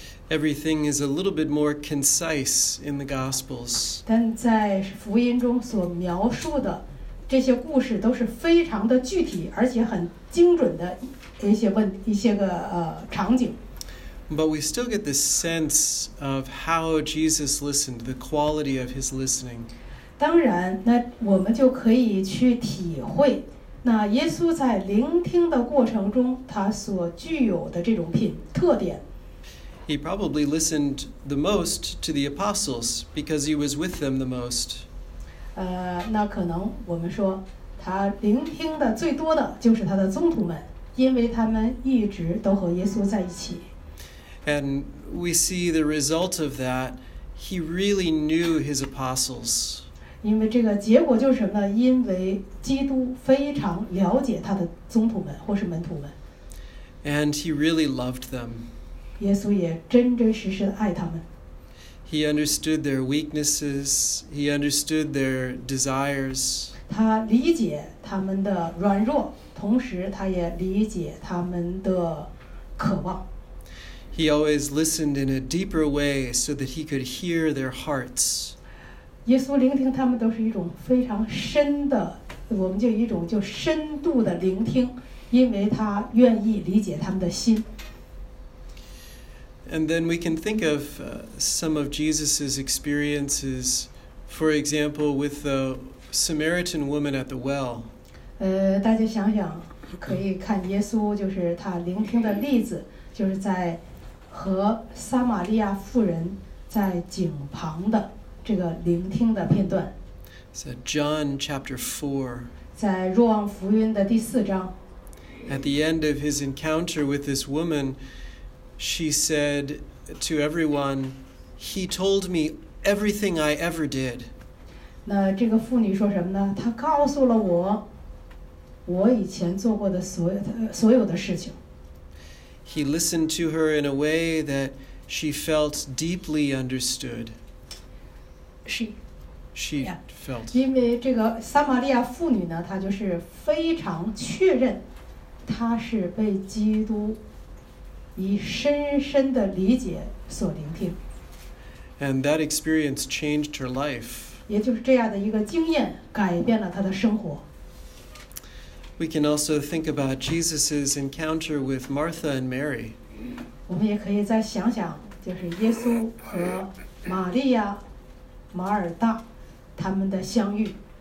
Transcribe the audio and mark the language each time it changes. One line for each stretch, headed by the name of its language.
English: Everything is a little bit more concise in the Gospels.
Chinese: 但在福音中所描述的这些故事都是非常的具体，而且很精准的一些场景。
English: But we still get the sense of how Jesus listened, the quality of his listening.
Chinese: 当然，那我们就可以去体会那耶稣在聆听的过程中他所具有的这种特点。
English: He probably listened the most to the apostles because he was with them the most.
Chinese: 那可能我们说他聆听的最多的就是他的宗徒们，因为他们一直都和耶稣在一起。
English: And we see the result of that. He really knew his apostles.
Chinese: 因为这个结果就是什么呢？因为基督非常了解他的宗徒们或是门徒们。
English: And he really loved them.
Chinese: 耶稣也真真实实的爱他们。
English: He understood their weaknesses. He understood their desires.
Chinese: 他理解他们的软弱，同时他也理解他们的渴望。
English: He always listened in a deeper way so that he could hear their hearts.
Chinese: 耶稣聆听他们都是一种非常深的，我们就一种就深度的聆听，因为他愿意理解他们的心。
English: And then we can think of some of Jesus' experiences, for example, with the Samaritan woman at the well.
Chinese: 大家想想，可以看耶稣就是他聆听的例子，就是在和撒玛利亚妇人在井旁的这个聆听的片段。
English: So John chapter 4.
Chinese: 在若望福音的第四章。
English: At the end of his encounter with this woman,She said to everyone, "He told me everything I ever did."
Chinese: 那这个妇女说什么呢？她告诉了我，我以前做过的所有的事情。
English: He listened to her in a way that she felt deeply understood. She felt.
Chinese: 因为这个撒玛利亚妇女呢，她就是非常确认，她是被基督。以深深的理解所聆听。
English: And that experience changed her life.
Chinese: 也就是这样的一个经验改变了她的生活。
English: We can also think about Jesus' encounter with Martha and Mary.
Chinese: 我们也可以再想想就是耶稣和玛利亚、马尔大他们的相遇。